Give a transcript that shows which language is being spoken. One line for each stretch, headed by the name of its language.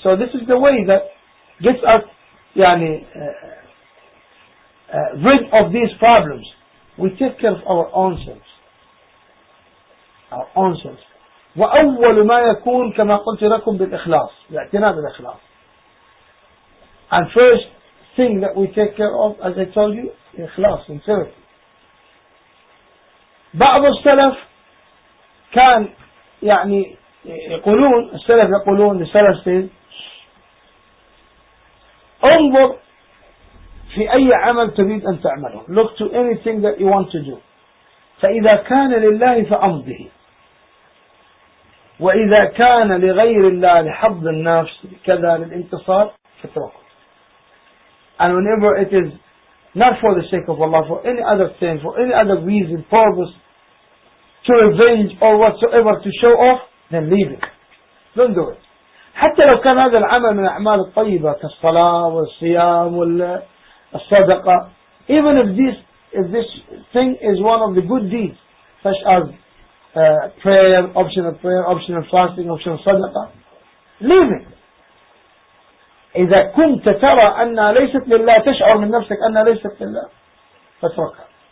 English: So this is the way that gets us يعني rid of these problems. We take care of our own selves. Our own selves.
Arabic: وأول ما يكون كما قلت لكم بالإخلاص الاعتناء بالإخلاص.
English: And first thing that we take care of, as I told you, ikhlas, sincerity.
Arabic: بعض السلف كان يعني يقولون السلف يقولون السلف says انظر في أي عمل تريد أن تعمله.
English: Look to anything that you want to do.
Arabic: فإذا كان لله فأمضه وإذا كان لغير الله لحظ النفس كذا للانتصار فتركه.
English: And whenever it is not for the sake of Allah, for any other thing, for any other reason, purpose, to revenge or whatsoever, to show off, then leave it. Don't do it. حتى لو كان هذا العمل من الأعمال الطيبة كالصلاة والصيام والصدقة, even if this thing is one of the good deeds, such as prayer, optional fasting, optional صدقة, leave it.
Arabic: إذا كنت ترى أنها ليست لله تشعر من نفسك أنها ليست لله فاتركها.